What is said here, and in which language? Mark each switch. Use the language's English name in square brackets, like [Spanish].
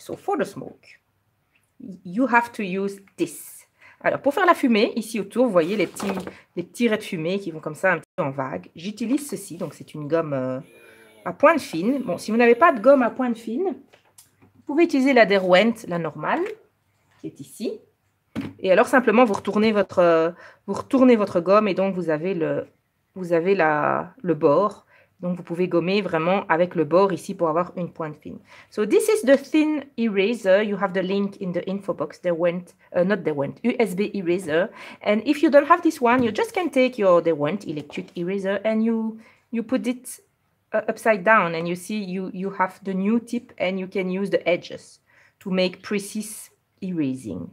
[English] So for the smoke, you have to use this. [French] Alors pour faire la fumée, ici autour, vous voyez les petits raies de fumée qui vont comme ça un petit peu en vague. J'utilise ceci, donc c'est une gomme à pointe fine. Bon, si vous n'avez pas de gomme à pointe fine, vous pouvez utiliser la Derwent, la normale, qui est ici. Et alors simplement, vous retournez votre gomme et donc vous avez le bord. Donc, vous pouvez gommer vraiment avec le bord ici pour avoir une pointe fine. [English] So, this is the thin eraser. You have the link in the info box. USB eraser. And if you don't have this one, you just can take your Derwent electric eraser and you put it upside down. And you see you have the new tip and you can use the edges to make precise erasing.